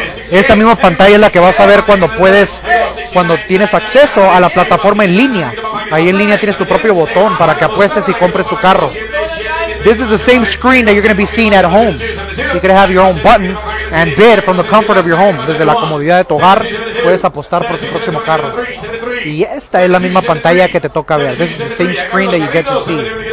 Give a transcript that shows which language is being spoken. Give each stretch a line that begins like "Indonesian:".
Spanish: Esta misma pantalla es la que vas a ver cuando puedes, cuando tienes acceso a la plataforma en línea. Ahí en línea tienes tu propio botón para que apuestes y compres tu carro.
English: This is the same screen that you're going to be seeing at home. You can have your own button and bid from the comfort of your home.
Spanish: Desde la comodidad de tu hogar puedes apostar por tu próximo carro. Y esta es la misma pantalla que te toca ver.
English: This is the same screen that you get to see.